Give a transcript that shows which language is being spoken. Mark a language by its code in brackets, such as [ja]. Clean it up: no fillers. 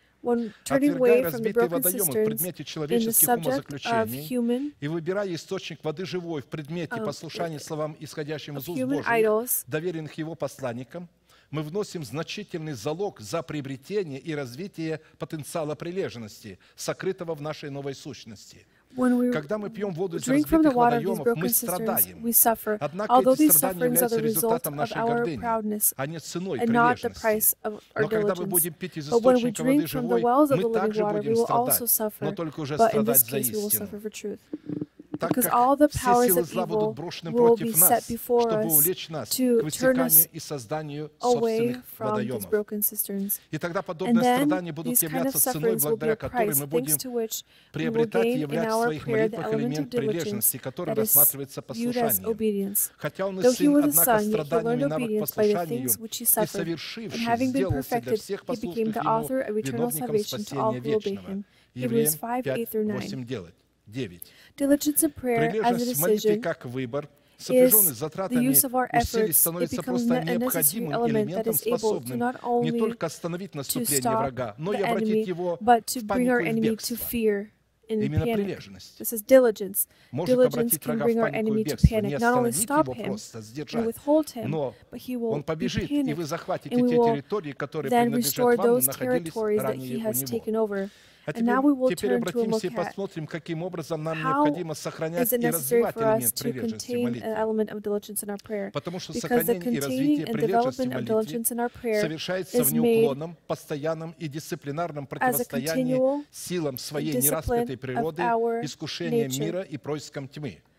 [en] When turning away from the broken cisterns in the subject of human [ru] и выбирая источник воды живой в предмете послушания словам, исходящим из уст Божьих, доверенных Его посланникам, мы вносим значительный залог за приобретение и развитие потенциала прилежности, сокрытого в нашей новой сущности. Когда мы пьем воду из разбитых водоемов, мы страдаем. Однако эти страдания являются результатом нашей гордыни, а не ценой прилежности. Но когда мы будем пить из источника воды живой, мы также будем страдать, но только уже страдать за истину. Так как все силы зла будут брошены против нас, чтобы увлечь нас к высеканию и созданию собственных водоемов. И тогда подобные страдания будут являться ценой, благодаря которой мы будем приобретать и являть в своих молитвах элемент прилежности, который рассматривается послушанием. Хотя он и сын, однако страданиями народ послушанию и совершивший сделался для всех послушных ему виновником спасения вечного. Евреям 5:8-9. [en] Diligence in prayer as a decision is the use of our efforts. It becomes a necessary element that is able to not only to stop the enemy, but to bring our enemy to fear and panic. This is diligence. Diligence can bring our enemy to panic, not only stop him and withhold him, but he will be panicked, and we will then restore those territories that he has taken over. [ru] А теперь обратимся и посмотрим, каким образом нам необходимо сохранять и развивать элемент прилежности в молитве. Потому что сохранение и развитие прилежности в молитве совершается в неуклонном, постоянном и дисциплинарном противостоянии силам своей нераскрытой природы, искушениям мира и проискам тьмы.